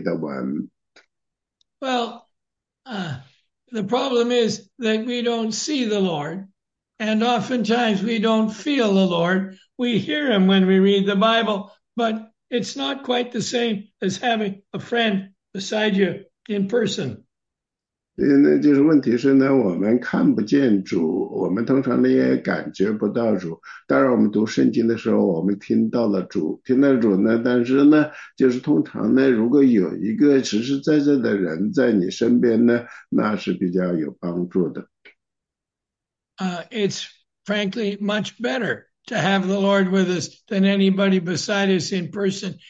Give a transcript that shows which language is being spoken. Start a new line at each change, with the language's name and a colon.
Chinese: 所以呢，第1节说呢，你们要在主里站立的稳。
English: Well, the problem is that we don't see the Lord, and oftentimes we don't feel the Lord. We hear him when we read the Bible, but it's not quite the same as having a friend beside you in person.
Chinese: 那就是问题是呢，我们看不见主，我们通常呢也感觉不到主。当然，我们读圣经的时候，我们听到了主，听到主呢。但是呢，就是通常呢，如果有一个实实在在的人在你身边呢，那是比较有帮助的。
English: It's frankly much better to have the Lord with us than anybody beside us in person.